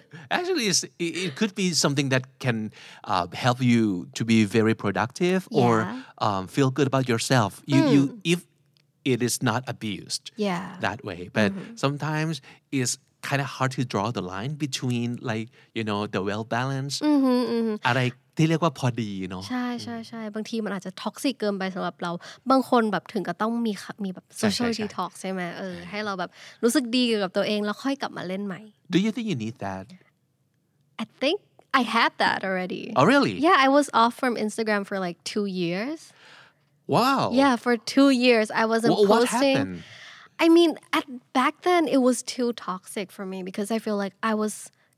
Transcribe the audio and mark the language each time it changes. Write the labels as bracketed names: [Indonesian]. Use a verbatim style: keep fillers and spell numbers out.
[English] Actually, it's, it could be something that can uh, help you to be very productive yeah. or um, feel good about yourself. You, mm. you, if it is not abused yeah. that way. But mm-hmm. sometimes it's kind of hard to draw the line between like, you know, the well-balanced, mm-hmm, mm-hmm. [Thai] อะไรที่เรียกว่าพอดีเนาะ ใช่ใช่ใช่บางทีมันอาจจะท็อกซิกเกินไปสำหรับเราบางคนแบบถึงก็ต้องมีมีแบบโซเชียลดีท็อกซ์ใช่ไหมเออให้เราแบบรู้สึกดีกับตัวเองแล้วค่อยกลับมาเล่นใหม่ [English] Do you think you need that? I think I had that already. Oh really? Yeah, I was off from Instagram for like two years. Wow. Yeah, for two years I wasn't what, What happened? I mean, at back then it was too toxic for me because I feel like I was.